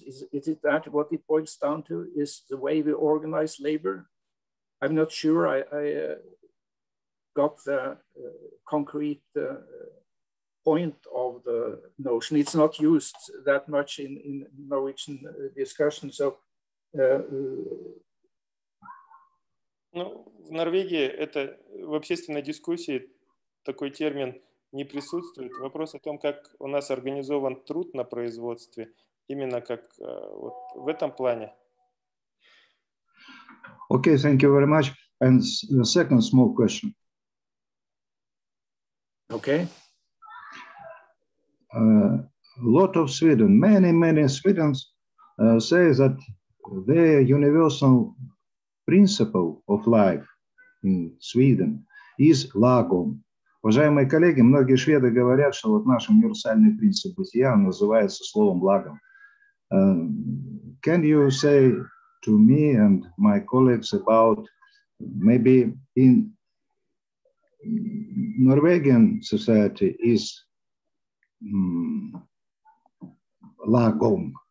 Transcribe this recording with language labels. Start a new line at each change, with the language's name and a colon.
English: Is it that what it boils down to? Is the way we organize labor? I'm not sure I got the concrete point of the notion. It's not used that much in Norwegian discussion. So,
Russian: ну, в Норвегии это в общественной дискуссии такой термин не присутствует. Вопрос о том, как у нас организован труд на производстве, именно как вот в этом плане.
English: Okay, thank you very much. And the second small question. Okay. A lot of Sweden, many Swedens say that their universal principle of life in Sweden is lagom.
Russian: Уважаемые коллеги, многие шведы говорят, что вот наш универсальный принцип бытия называется словом лагом.
English: Can you say to me and my colleagues about maybe in Norwegian society is lagom.